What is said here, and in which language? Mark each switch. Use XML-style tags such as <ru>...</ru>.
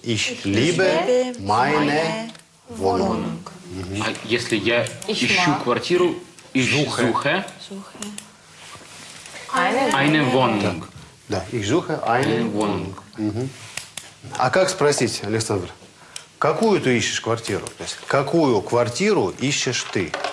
<de>Ich liebe meine Wohnung.</de> <ru>А если я ищу квартиру,</ru> <de>ich suche eine Wohnung. Да, ich suche eine Wohnung.</de> <ru>А как спросить, Александр, какую ты ищешь квартиру? То есть, какую квартиру ищешь ты?</ru>